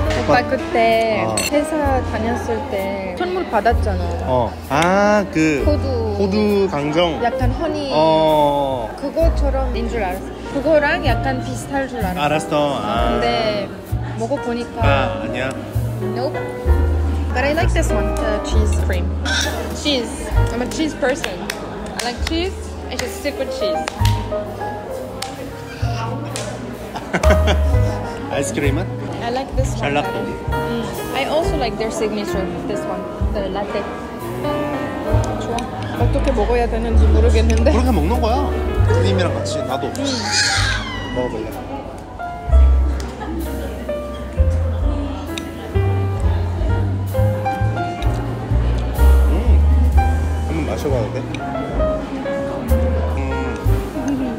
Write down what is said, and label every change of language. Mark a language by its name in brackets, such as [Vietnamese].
[Korean] 아, 그때 회사 다녔을 때 선물 받았잖아. 어. 아, 그 호두 강정. 약간 허니. 어. 그거처럼 인 줄 알았어. 그거랑 약간 비슷할 줄 알았어. 알았어. 아. 근데 먹어 보니까 아, 아니야. [English] Nope. But I like this one, the cheese cream. Cheese. I'm a cheese person. I like cheese. I should stick with cheese. [Korean] 아이스크림은? [English] I like this one. [Korean] 잘 났고. [English] I also like their signature, this one, the latte. [Korean] 좋아. 어떻게 먹어야 되는지 모르겠는데. 그렇게 먹는 거야. 누님이랑 같이 나도. 먹어볼래. 한번 마셔봐야 돼.